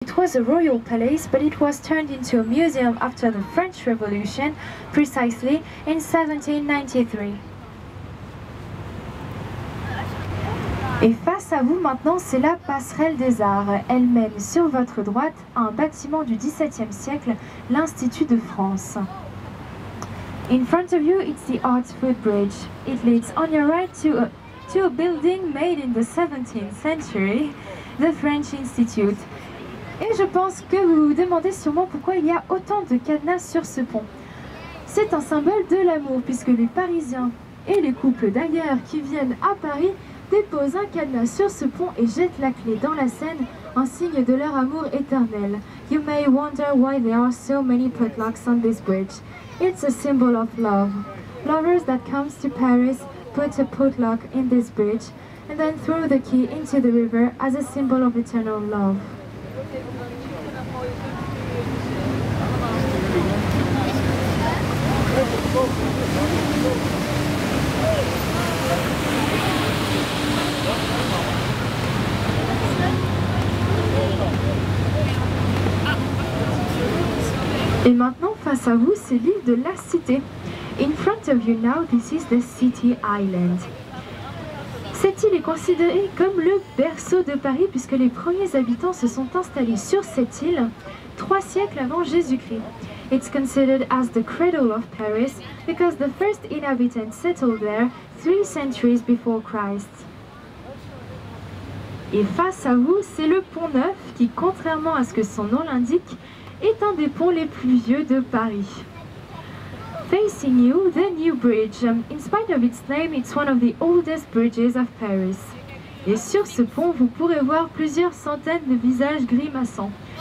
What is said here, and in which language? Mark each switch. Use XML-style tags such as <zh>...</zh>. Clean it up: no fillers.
<en>It was a royal palace, but it was turned into a museum after the French Revolution, precisely in 1793.</en> <fr>Et face à vous maintenant, c'est la passerelle des arts. Elle mène sur votre droite un bâtiment du XVIIe siècle, l'Institut de France.</fr> <en>In front of you, it's the Arts Footbridge. It leads on your right to a building made in the 17th century, the French Institute.</en> <fr>Et je pense que vous vous demandez sûrement pourquoi il y a autant de cadenas sur ce pont. C'est un symbole de l'amour, puisque les Parisiens et les couples d'ailleurs qui viennent à Paris déposent un cadenas sur ce pont et jettent la clé dans la Seine, un signe de leur amour éternel.</fr> <en>You may wonder why there are so many padlocks on this bridge. It's a symbol of love. Lovers that come to Paris put a padlock in this bridge and then throw the key into the river as a symbol of eternal love.</en> <fr>Et maintenant, face à vous, c'est l'île de la Cité.</fr> <en>In front of you now, this is the City Island.</en> <fr>Cette île est considérée comme le berceau de Paris puisque les premiers habitants se sont installés sur cette île 3 siècles avant Jésus-Christ.</fr> <en>It's considered as the cradle of Paris because the first inhabitants settled there 3 centuries before Christ.</en> <fr>Et face à vous, c'est le Pont Neuf qui, contrairement à ce que son nom l'indique, est un des ponts les plus vieux de Paris.</fr> <en>Facing you, the new bridge. In spite of its name, it's one of the oldest bridges of Paris.</en> <fr>Et sur ce pont, vous pourrez voir plusieurs centaines de visages grimaçants.</fr>